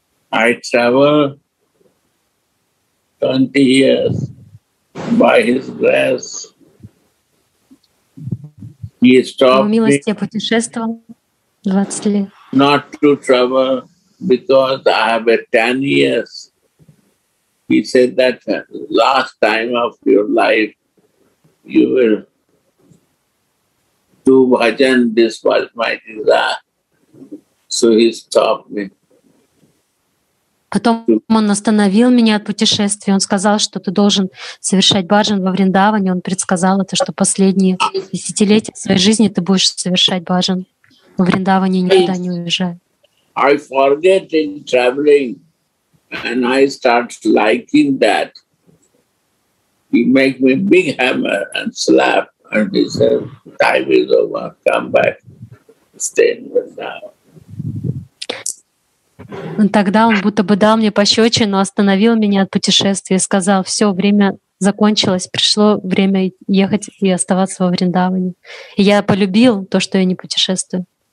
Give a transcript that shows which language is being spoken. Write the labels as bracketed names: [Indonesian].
[English] I travel 20 years by his grace. [Russian] По милости я путешествовал 20 лет. [English] Not to travel because I have 10 years. He said that last time of your life you will do bhajan. This was my desire. So he stopped me. [Russian] Потом он остановил меня от путешествий. Он сказал, что ты должен совершать баджан во Вриндаване. Он предсказал это, что последние десятилетия своей жизни ты будешь совершать баджан. Во Вриндаване никуда не уезжай. [English] I forget in traveling and I start liking that. He make me big hammer and slap and he said, time is over, come back, stay in Vrindavan. [Russian] Тогда он будто бы дал мне пощечину, остановил меня от путешествия и сказал, все, время закончилось, пришло время ехать и оставаться во Вриндаване. И я полюбил то, что я не путешествую.